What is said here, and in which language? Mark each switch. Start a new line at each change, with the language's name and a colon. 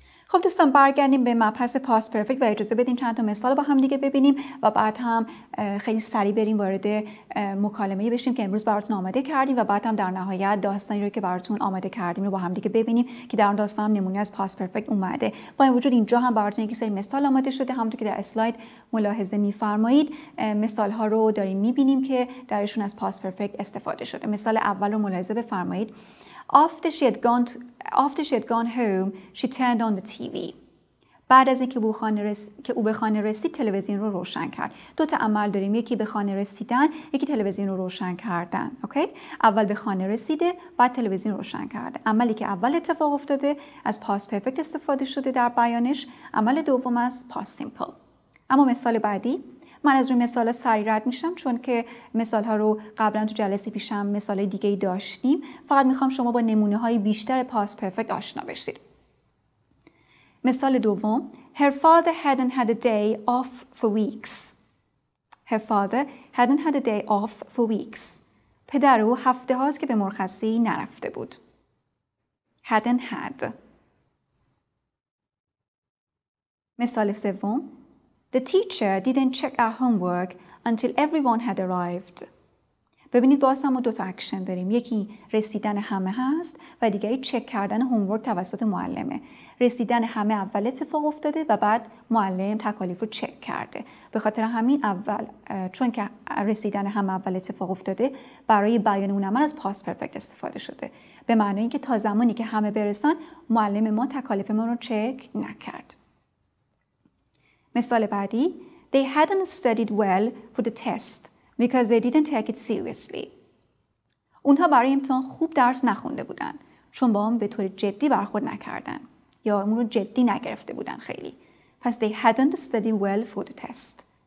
Persian: خب دوستان برگردیم به مبحث پاست پرفکت و اجازه بدیم چند تا مثال با هم دیگه ببینیم و بعد هم خیلی سریع بریم وارد مکالمه بشیم که امروز براتون آماده کردیم و بعد هم در نهایت داستانی رو که براتون آماده کردیم رو با هم دیگه ببینیم که در اون داستان هم نمونه از پاست پرفکت اومده. با این وجود اینجا هم براتون یک سری مثال آماده شده، همونطور که در اسلاید ملاحظه می‌فرمایید مثال‌ها رو داریم می‌بینیم که درشون از پاست پرفکت استفاده شده. مثال اول رو ملاحظه بفرمایید.
English: After she had gone to, After she had gone home, she turned on the TV.
Persian: بعد از اینکه که او به خانه رسید تلویزیون رو روشن کرد. دو تا عمل داریم، یکی به خانه رسیدن، یکی تلویزیون رو روشن کردن. اوکی؟ اول به خانه رسیده، بعد تلویزیون روشن کرده. عملی که اول اتفاق افتاده از پاس پرفکت استفاده شده در بیانش، عمل دوم از پاس سیمپل. اما مثال بعدی، من از روی مثال سریع رد میشم چون که مثال ها رو قبلا تو جلسه پیشم مثال دیگه داشتیم، فقط میخوام شما با نمونه های بیشتر پاس پرفکت آشنا بشید. مثال دوم،
English: her father hadn't had a day off for weeks. Her father hadn't had a day off for weeks.
Persian: پدر او هفته هاست که به مرخصی نرفته بود.
English: Hadn't had.
Persian: مثال سوم،
English: the teacher didn't check our homework until everyone had arrived.
Persian: ببینید باز هم دو تا اکشن داریم. یکی رسیدن همه هست و دیگری چک کردن هومورک توسط معلمه. رسیدن همه اول اتفاق افتاده و بعد معلم تکالیف رو چک کرده. به خاطر همین اول، چون که رسیدن همه اول اتفاق افتاده، برای بیان اون عمل از پاس پرفکت استفاده شده. به معنی اینکه تا زمانی که همه برسن، معلم ما تکالیف ما رو چک نکرد. مثال بعدی،
English: they hadn't studied well for the test. Because they didn't take it seriously.
Persian: اونها برای امتحان خوب درس نخونده بودن چون با هم به طور جدی برخورد نکردن یا امور رو جدی نگرفته بودن خیلی. پس
English: they hadn't studied well for the test.